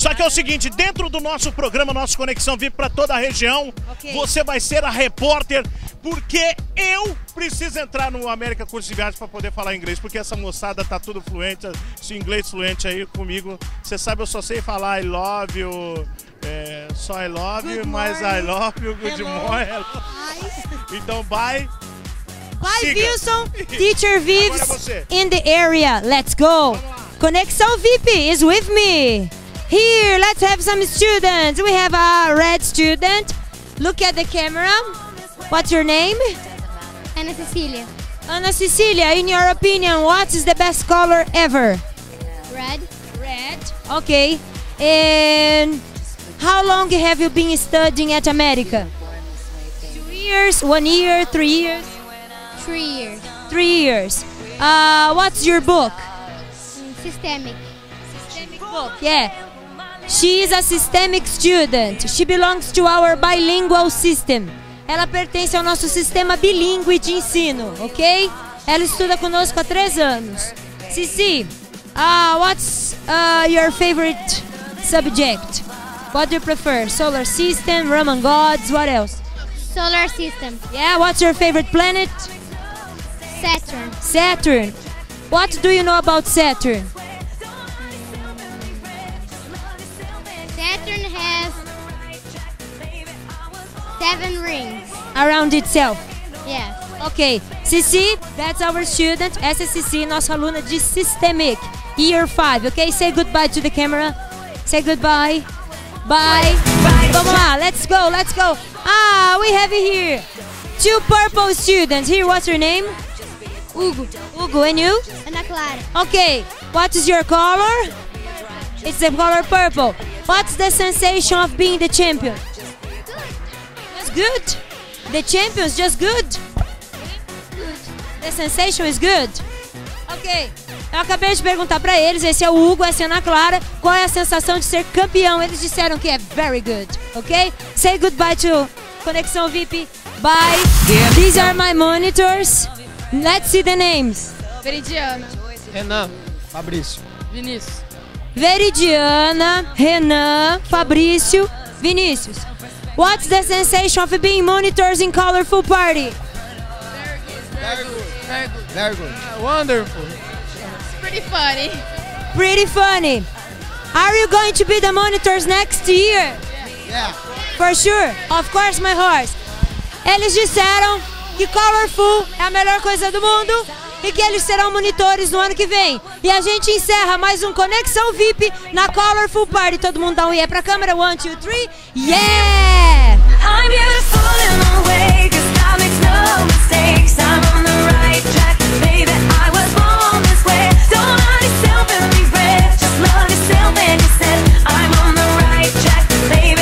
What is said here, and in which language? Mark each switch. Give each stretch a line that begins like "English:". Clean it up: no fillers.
Portuguese: Só que é o seguinte, dentro do nosso programa, nosso Conexão VIP para toda a região, okay, você vai ser a repórter, porque eu preciso entrar no América Curso de Viagens para poder falar inglês, porque essa moçada tá tudo fluente, esse inglês fluente aí comigo. Você sabe, eu só sei falar
English: I love you,
Portuguese: só
English: I love you,
Portuguese: mas
English: I love you, good morning.
Portuguese: Então,
English: bye. Bye, Wilson. Teacher Vives in the area. Let's go. Conexão VIP is with me. Here, let's have some students. We have a red student. Look at the camera. What's your name? Ana Cecília. Ana Cecília, in your opinion, what is the best color ever? Red. Red. Okay. And how long have you been studying at America? 2 years, 1 year, 3 years? 3 years. 3 years. What's your book? Systemic. Systemic book, yeah. She is a systemic student. She belongs to our bilingual system.
Portuguese: Ela pertence ao nosso sistema bilíngue de ensino, ok? Ela estuda conosco há 3 anos.
English: Cici, what's your favorite subject? What do you prefer? Solar system, Roman gods, what else? Solar system. Yeah, what's your favorite planet? Saturn. Saturn. What do you know about Saturn? Saturn has 7 rings. Around itself. Yeah. Okay. Cici, that's our student, SSC,
Portuguese: nossa aluna de Systemic.
English: year 5, ok? Say goodbye to the camera. Say goodbye. Bye. Bye.
Portuguese: Vamos lá,
English: let's go, let's go. Ah, we have here two purple students. Here, what's your name? Hugo. Hugo, and you? Ana Clara. Okay, what is your color? It's the color purple. What's the sensation of being the champion? Just good. Just good? The champion's just good? Good. The sensation is good? Ok.
Portuguese: Eu acabei de perguntar para eles, esse é o Hugo, essa é a Ana Clara, qual é a sensação de ser campeão? Eles disseram que é
English: very good,
Portuguese: ok?
English: Say goodbye to Conexão VIP. Bye. These are my monitors. Let's see the names. Veridiana. Renan. Fabrício. Vinícius. Veridiana, Renan, Fabrício, Vinícius. What's the sensation of being monitors in Colorful Party? Very good. Wonderful. It's pretty funny. Pretty funny. Are you going to be the monitors next year? Yeah. For sure. Of course, my horse.
Portuguese: Eles disseram que Colorful é a melhor coisa do mundo. E que eles serão monitores no ano que vem. E a gente encerra mais um Conexão VIP na Colorful Party. Todo mundo dá um yeah pra câmera.
English: 1, 2, 3. Yeah! I'm beautiful in a way, 'cause God makes no mistakes. I'm on the right track, baby. I was born this way. Don't hide yourself in the breath. Just love yourself and you said, I'm on the right track, baby.